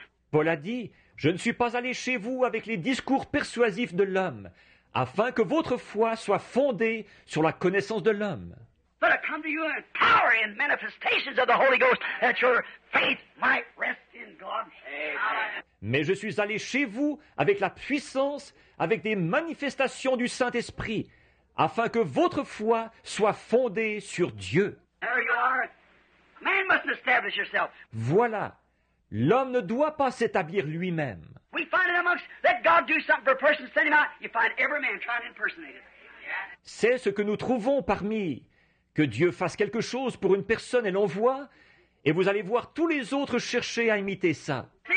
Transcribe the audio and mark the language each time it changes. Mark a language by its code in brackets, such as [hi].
[fr] Paul a dit, je ne suis pas allé chez vous avec les discours persuasifs de l'homme, afin que votre foi soit fondée sur la connaissance de l'homme. [en] But I come to you in power and manifestations of the Holy Ghost, that your faith might rest in God. Amen. [fr] mais je suis allé chez vous avec la puissance, avec des manifestations du Saint-Esprit, afin que votre foi soit fondée sur Dieu. [en] There you are. Man must establish yourself. [fr] Voilà, l'homme ne doit pas s'établir lui-même. [en] We find it amongst, let God do something for a person, send him out, you find every man trying to impersonate it. [fr] C'est ce que nous trouvons parmi que Dieu fasse quelque chose pour une personne et l'envoie, et vous allez voir tous les autres chercher à imiter ça.